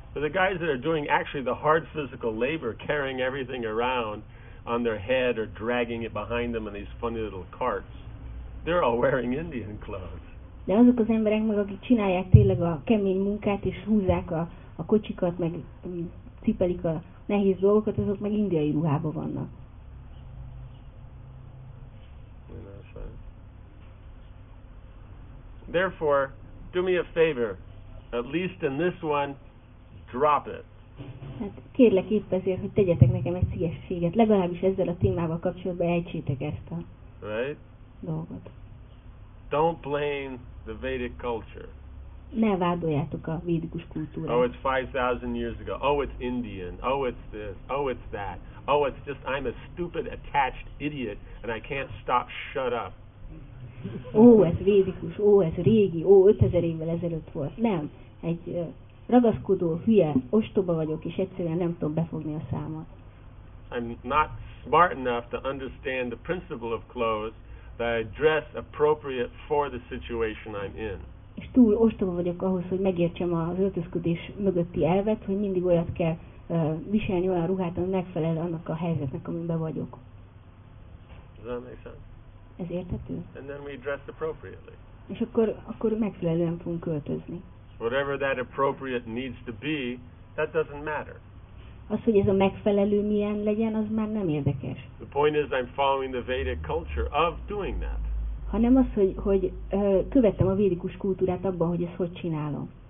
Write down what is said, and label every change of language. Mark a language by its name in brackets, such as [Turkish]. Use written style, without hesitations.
[English] But the guys that are doing actually the hard physical labor, carrying everything around on their head or dragging it behind them in these funny little carts, they're all wearing Indian clothes. [Hungarian] De azok az emberek meg, akik csinálják tényleg a kemény munkát és húzzák a kocsikat, meg cipelik a nehéz dolgokat, azok meg indiai ruhában vannak. [English] Therefore, do me a favor, at least in this one, drop it. [Hungarian] Hát kérlek épp ezért, hogy tegyetek nekem egy szívességet, legalábbis ezzel a témával kapcsolatban ejtsétek ezt a [English] right? [Hungarian] dolgot. [English] Don't blame the Vedic culture. [Hungarian] Ne vádoljátok a védikus kultúrát. [English] Oh, it's 5,000 years ago. Oh, it's Indian. Oh, it's this. Oh, it's that. Oh, it's just I'm a stupid, attached idiot and I can't stop, shut up. [Hungarian] Ó, ez védikus, ó, ez régi, ó, 5000 évvel ezelőtt volt. Nem, egy ragaszkodó, hülye, ostoba vagyok, és egyszerűen nem tudom befogni a számot. [English] I'm not smart enough to understand the principle of clothes that I dress appropriate for the situation I'm in. [Hungarian] És túl ostoba vagyok ahhoz, hogy megértsem az öltözködés mögötti elvet, hogy mindig olyat kell viselni olyan ruhát, ami megfelel annak a helyzetnek, amiben vagyok. [English] Does that make sense? [Hungarian] Ez érthető? [English] And then we dress appropriately. [Hungarian] És akkor megfelelően fogunk költözni. [English] Whatever that appropriate needs to be, that doesn't matter. [Hungarian] Az, hogy ez a megfelelő milyen legyen, az már nem érdekes. [English] The point is I'm following the Vedic culture of doing that. [Hungarian] Hanem az, hogy követtem a védikus kultúrát abban, hogy ezt hogy csinálom.